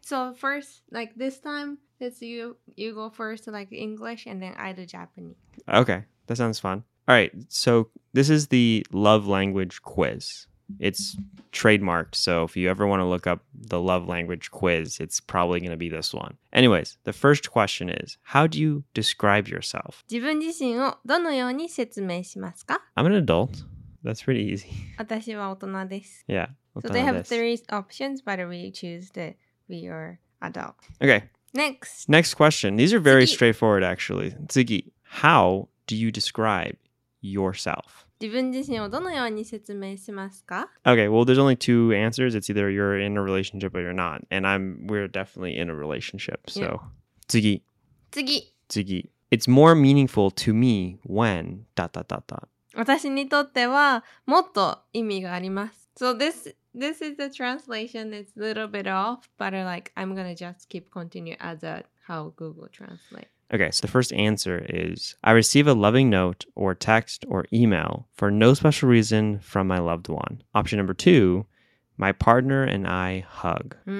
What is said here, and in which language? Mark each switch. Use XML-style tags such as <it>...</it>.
<en>So first, like this time, it's you go first to like English and then I do Japanese. Okay, that sounds fun. All right, so this is the love language quiz. It's trademarked, so if you ever want to look up the love language quiz, it's probably going to be this one. Anyways, the first question is, how do you describe yourself?</en> <ja>自分自身をどのように説明しますか?</ja> <en>I'm an adult. That's pretty easy.</en> <ja>私は大人です。</ja> <en>Yeah,</en> <ja>大人です。</ja> <en>So they have three options, but we choose to be your adult. Okay. Next question. These are very straightforward, actually. Tsugi, how do you describe yourself?</en> <ja>自分自身をどのように説明しますか?</ja> <en>Okay, well, there's only two answers. It's either you're in a relationship or you're not. And we're definitely in a relationship, so. Tsugi. Tsugi. Tsugi. It's more meaningful to me when...</en> <ja>私にとってはもっと意味があります。</ja> <en>So this is the translation. It's a little bit off, but like I'm going to just keep continue as a how Google translate. Okay, so the first answer is I receive a loving note or text or email for no special reason from my loved one. Option number two, my partner and I hug.</en>